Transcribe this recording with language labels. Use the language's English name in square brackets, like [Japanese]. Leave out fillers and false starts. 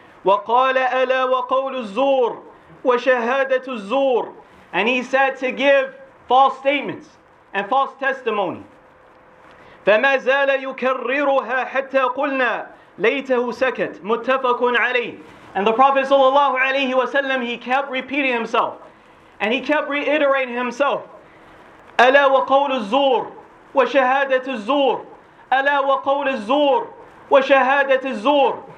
[Arabic] وقال ألا وقول الزور وشهادة الزور. [English] And he said to give false statements and false testimony. [Arabic] فما زال يكررها حتى قلنا ليته سكت متفق عليه. [English] And the Prophet صلى الله عليه وسلم, he kept repeating himself and he kept reiterating himself. [Arabic] ألا وقول الزور وشهادة الزور. ألا وقول الزور وشهادة الزور.